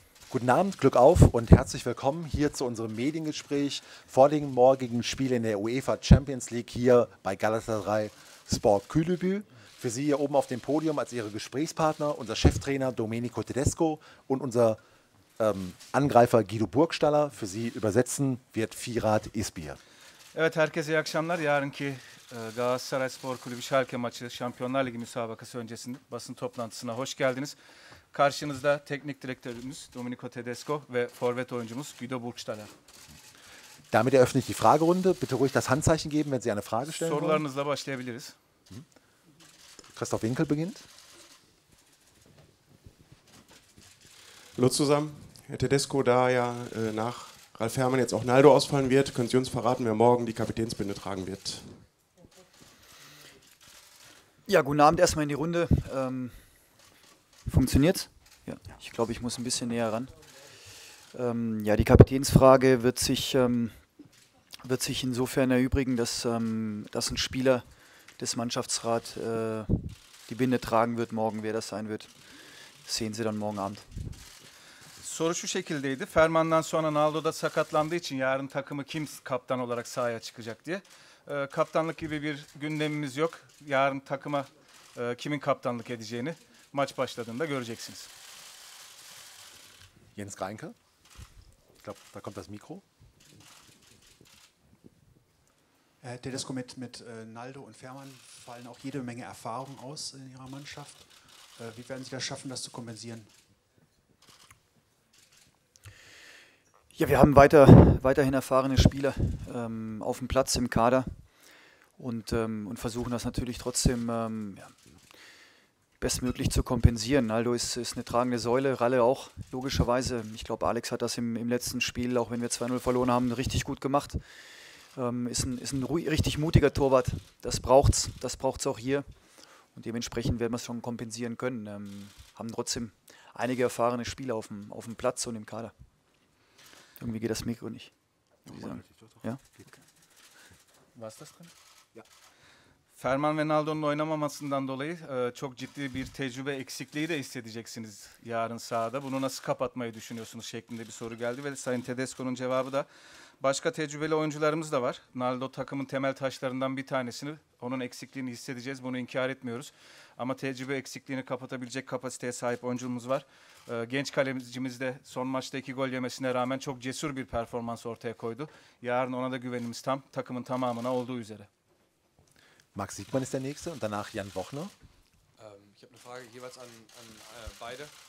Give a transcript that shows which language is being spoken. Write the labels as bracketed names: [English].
[German] Guten Abend, Glück auf und herzlich willkommen hier zu unserem Mediengespräch vor dem morgigen Spiel in der UEFA Champions League hier bei Galatasaray Sport Kulübü. Für Sie hier oben auf dem Podium als Ihre Gesprächspartner, unser Cheftrainer Domenico Tedesco und unser Angreifer Guido Burgstaller. Für Sie übersetzen wird Firat İzbir. [Turkish] Evet, herkese iyi akşamlar. Yarınki Galatasaray Spor Kulübü Schalke maçı Şampiyonlar Ligi müsabakası öncesinde basın toplantısına hoş geldiniz. Karşınızda teknik direktörümüz Domenico Tedesco ve forvet oyuncumuz Guido Burgstaller. [German] Damit eröffne ich die Fragerunde. Bitte ruhig das Handzeichen geben, wenn Sie eine Frage stellen wollen. [Turkish] Sorularınızla başlayabiliriz. [German] Christoph Winkel beginnt. Hallo zusammen. Herr Tedesco, da ja nach Ralf Herrmann jetzt auch Naldo ausfallen wird, können Sie uns verraten, wer morgen die Kapitänsbinde tragen wird? Ja, guten Abend erstmal in die Runde. Funktioniert's? Ja, ich glaube, ich muss ein bisschen näher ran. Ja, die Kapitänsfrage wird sich insofern erübrigen, dass ein Spieler des Mannschaftsrats die Binde tragen wird morgen. Wer das sein wird, sehen Sie dann morgen Abend. [Turkish] Soru şu şekildeydi. Fermandan sonra Naldo da sakatlandığı için yarın takımı kim kaptan olarak sahaya çıkacak diye. Kaptanlık gibi bir gündemimiz yok. Yarın takıma kimin kaptanlık edeceğini maç başladığında göreceksiniz. [German] Jens Greinke. Ich glaube, da kommt das Mikro. Tedesco, mit Naldo und Fermann fallen auch jede Menge Erfahrung aus in ihrer Mannschaft. Wie werden Sie das schaffen, das zu kompensieren? Ja, wir haben weiterhin erfahrene Spieler auf dem Platz im Kader und versuchen das natürlich trotzdem bestmöglich zu kompensieren. Naldo ist eine tragende Säule, Ralle auch, logischerweise. Ich glaube, Alex hat das im letzten Spiel, auch wenn wir 2-0 verloren haben, richtig gut gemacht. Ist ein richtig mutiger Torwart. Das braucht's auch hier. Und dementsprechend werden wir es schon kompensieren können. Haben trotzdem einige erfahrene Spieler auf dem Platz und im Kader. Irgendwie geht das Mikro nicht. Ja? War es das drin? Ja. [Turkish] Ferman ve Naldo'nun oynamamasından dolayı çok ciddi bir tecrübe eksikliği de hissedeceksiniz yarın sahada. Bunu nasıl kapatmayı düşünüyorsunuz şeklinde bir soru geldi ve Sayın Tedesco'nun cevabı da başka tecrübeli oyuncularımız da var. Naldo takımın temel taşlarından bir tanesini, onun eksikliğini hissedeceğiz, bunu inkar etmiyoruz. Ama tecrübe eksikliğini kapatabilecek kapasiteye sahip oyuncumuz var. Genç kalecimiz de son maçta iki gol yemesine rağmen çok cesur bir performans ortaya koydu. Yarın ona da güvenimiz tam, takımın tamamına olduğu üzere. [German] Max Siegmann ist der Nächste und danach Jan Bochner. Ich habe eine Frage jeweils an beide.